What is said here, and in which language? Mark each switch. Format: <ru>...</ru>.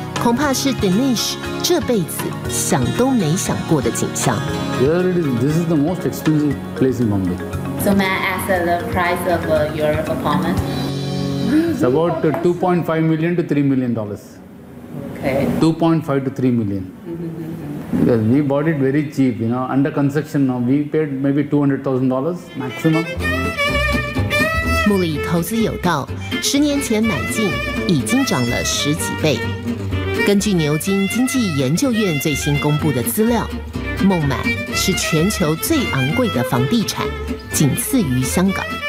<zh>恐怕是 Dinesh 这辈子想都没想过的景象。</zh> <en>Here it is. This is the most expensive place in Bombay. So may I ask the price of your apartment? It's about $2.5 million to $3 million. Okay. $2.5 to $3 million. Yes, we bought it very cheap. You know, under construction now. We paid maybe $200,000 maximum.</en> <zh>穆里投资有道，十年前买进已经涨了十几倍。根据牛津经济研究院最新公布的资料，孟买是全球最昂贵的房地产，仅次于香港。</zh>